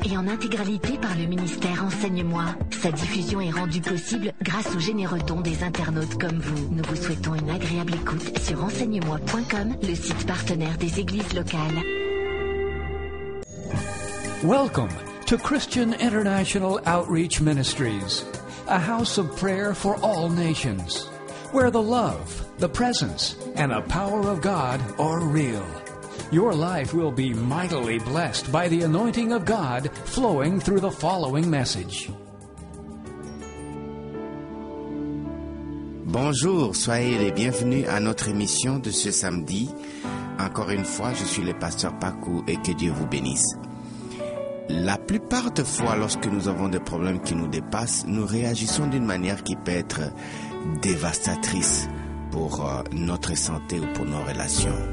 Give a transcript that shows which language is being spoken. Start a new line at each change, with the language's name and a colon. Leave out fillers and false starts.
French: Et en intégralité par le ministère Enseigne-moi. Sa diffusion est rendue possible grâce aux généreux dons des internautes comme vous. Nous vous souhaitons une agréable écoute sur enseignemoi.com, le site partenaire des églises locales.
English: Welcome to Christian International Outreach Ministries, a house of prayer for all nations, where the love, the presence, and the power of God are real. Your life will be mightily blessed by the anointing of God flowing through the following message.
French: Bonjour, soyez les bienvenus à notre émission de ce samedi. Encore une fois, je suis le pasteur Paco et que Dieu vous bénisse. La plupart de fois, lorsque nous avons des problèmes qui nous dépassent, nous réagissons d'une manière qui peut être dévastatrice pour notre santé ou pour nos relations.